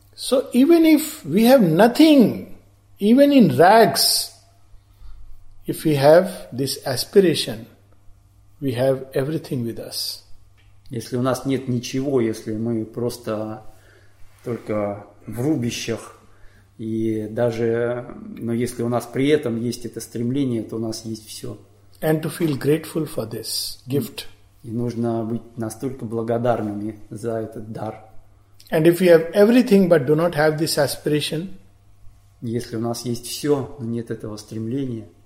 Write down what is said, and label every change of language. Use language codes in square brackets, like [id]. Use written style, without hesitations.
[en] So even if we have nothing, even in rags, if we have this aspiration, we have everything with us. [ru] Если у нас нет ничего, если мы просто только в рубищах, и даже, но если у нас при этом есть это стремление, то у нас есть все. [en] And to feel grateful for this gift. [ru] И нужно быть настолько благодарными за этот дар. [en] And if we have everything but do not have this aspiration, [ru] если у нас есть все, но нет этого стремления,